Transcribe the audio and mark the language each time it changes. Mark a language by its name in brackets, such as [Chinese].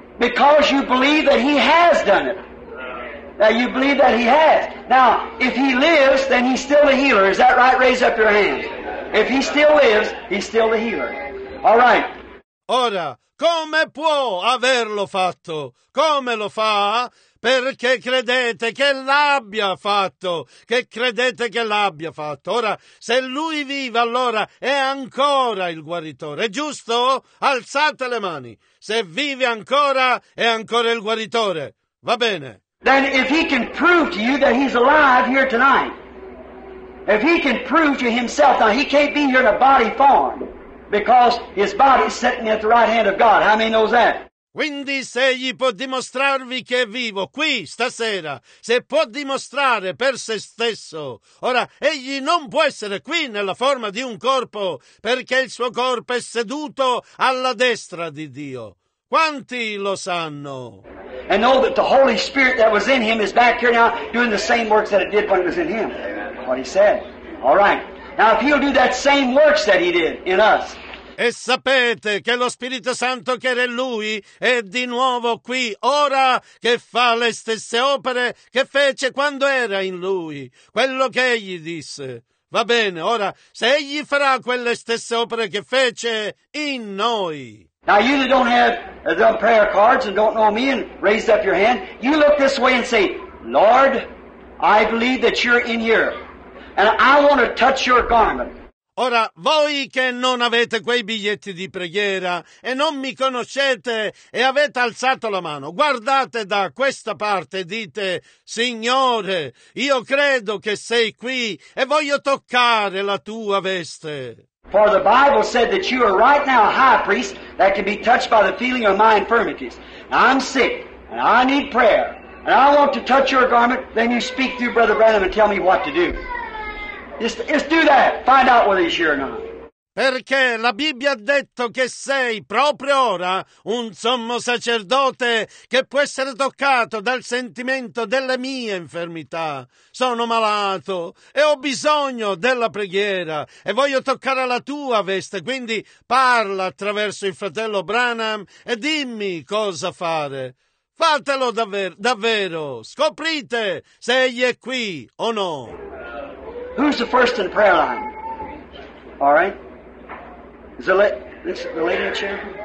[English] Because you believe that he has done it. Now, you believe that he has. Now, if he lives, then he's still the healer. Is that right? Raise up your hands. If he still lives, he's still the healer. All right. [Italian] Ora, come può averlo fatto? Come lo fa? Perché credete che l'abbia fatto? Che credete che l'abbia fatto? Ora, se lui vive, allora è ancora il guaritore, giusto? Alzate le mani. Se vive ancora, è ancora il guaritore. Va bene. [English] Then if he can prove to you that he's alive here tonight, if he can prove to himself that he can't be here in a body form, because his body is sitting at the right hand of God. How many knows that? [Italian] Quindi se egli può dimostrarvi che è vivo qui stasera, se può dimostrare per se stesso, ora egli non può essere qui nella forma di un corpo, perché il suo corpo è seduto alla destra di Dio. Quanti lo sanno? [English] And know that the Holy Spirit that was in him is back here now doing the same works that it did when it was in him. What he said. All right. Now if he'll do that same works that he did in us. [Italian] E sapete che lo Spirito Santo che era in lui è di nuovo qui ora che fa le stesse opere che fece quando era in lui. Quello che egli disse. Va bene, ora se egli farà quelle stesse opere che fece in noi. [English] Now you that don't have the prayer cards and don't know me and raised up your hand, you look this way and say, Lord, I believe that you're in here and I want to touch your garment. [Italian] Ora, voi che non avete quei biglietti di preghiera e non mi conoscete e avete alzato la mano, guardate da questa parte e dite, Signore, io credo che sei qui e voglio toccare la tua veste. [English] For the Bible said that you are right now a high priest that can be touched by the feeling of my infirmities. Now, I'm sick and I need prayer and I want to touch your garment, then you speak through Brother Branham and tell me what to do. Just do that. Find out whether he's here or not. [Italian] Perché la Bibbia ha detto che sei proprio ora un sommo sacerdote che può essere toccato dal sentimento delle mie infermità. Sono malato e ho bisogno della preghiera e voglio toccare la tua veste, quindi parla attraverso il fratello Branham e dimmi cosa fare. Fatelo davvero, scoprite se egli è qui o no. [English] Who's the first in prayer line? All right. Is the lady in chair?